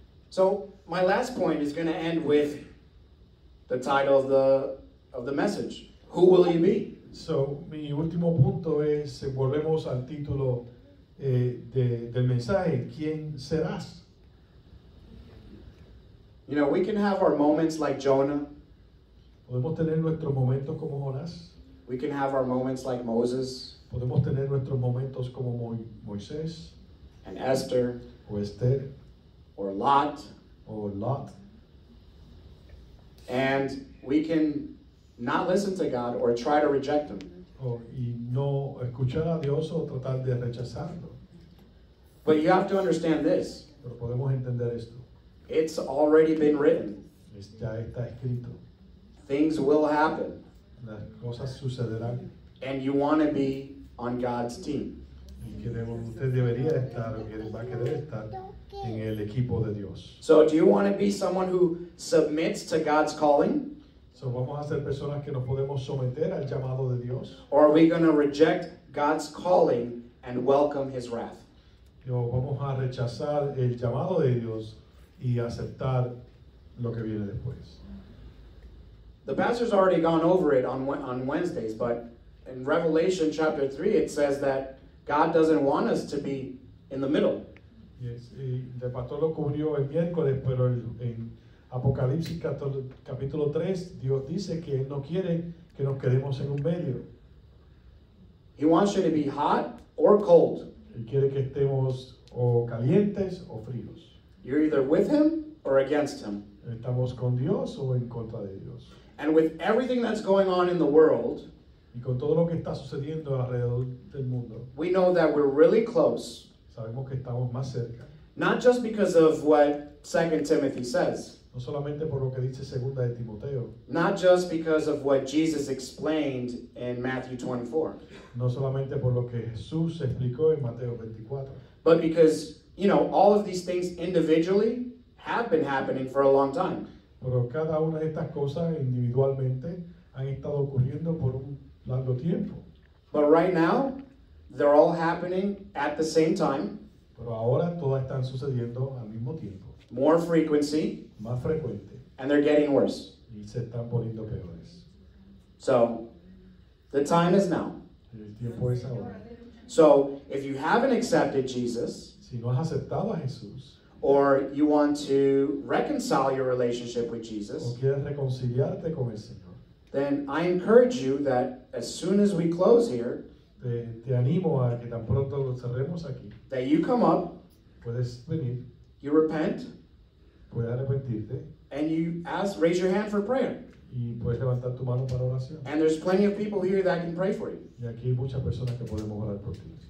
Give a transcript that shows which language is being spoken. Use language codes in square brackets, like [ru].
[en] So my last point is going to end with the title of the message. Who will he be? [es] So mi último punto es, volvemos al título del mensaje. ¿Quién serás? [en] You know, we can have our moments like Jonah. [es] Podemos tener nuestros momentos como Jonás. [en] We can have our moments like Moses. [es] Podemos tener nuestros momentos como Moisés. [en] And Esther. [es] O Esther. [en] Or Lot. [es] O Lot. [en] And we can not listen to God or try to reject him. [es] Oh, y no escuchar a Dios o tratar de rechazarlo. [en] But you have to understand this. [es] Pero podemos entender esto. [en] It's already been written. [es] Ya está escrito. [en] Things will happen. [es] Las cosas sucederán. [en] And you want to be on God's team. [es] Y queremos, usted debería estar, o quiere, va a querer estar en el equipo de Dios. [en] So do you want to be someone who submits to God's calling? [es] So vamos a ser personas que nos podemos someter al llamado de Dios. [en] Or are we going to reject God's calling and welcome his wrath? [es] Yo vamos a rechazar el llamado de Dios y aceptar lo que viene después. [en] The pastor's already gone over it on Wednesdays, but in Revelation chapter 3 it says that God doesn't want us to be in the middle. [es] Yes, y el pastor lo cubrió el miércoles, pero en Apocalipsis capítulo 3, Dios dice que Él no quiere que nos quedemos en un medio. [en] He wants you to be hot or cold. [es] Él quiere que estemos o calientes o fríos. [en] You're either with him or against him. [es] Estamos con Dios o en contra de Dios. [en] And with everything that's going on in the world, [es] y con todo lo que está sucediendo alrededor del mundo, [en] we know that we're really close. [es] Sabemos que estamos más cerca. [en] Not just because of what 2 Timothy says. [es] No solamente por lo que dice Segunda de Timoteo. [en] Not just because of what Jesus explained in Matthew 24. [es] No solamente por lo que Jesús explicó en Mateo 24. [en] But because, you know, all of these things individually have been happening for a long time. [es] Pero cada una de estas cosas individualmente han estado ocurriendo por un largo tiempo. [en] But right now, they're all happening at the same time. [es] Pero ahora todas están sucediendo al mismo tiempo. [en] More frequency. [es] Más frecuente. [en] And they're getting worse. [es] Y se están poniendo peores. [en] So, the time is now. [es] El tiempo es ahora. [en] So, if you haven't accepted Jesus, [es] si no has aceptado a Jesús, [en] or you want to reconcile your relationship with Jesus, [es] o quieres reconciliarte con el Señor, [en] then I encourage you that as soon as we close here, [es] te animo a que tan pronto lo cerremos aquí, [en] that you come up, [es] puedes venir, [en] you repent, [es] puedes arrepentirte, [en] and you ask, raise your hand for prayer. [es] Y puedes levantar tu mano para oración. [en] And there's plenty of people here that can pray for you. [es] Y aquí hay muchas personas que podemos orar por ti.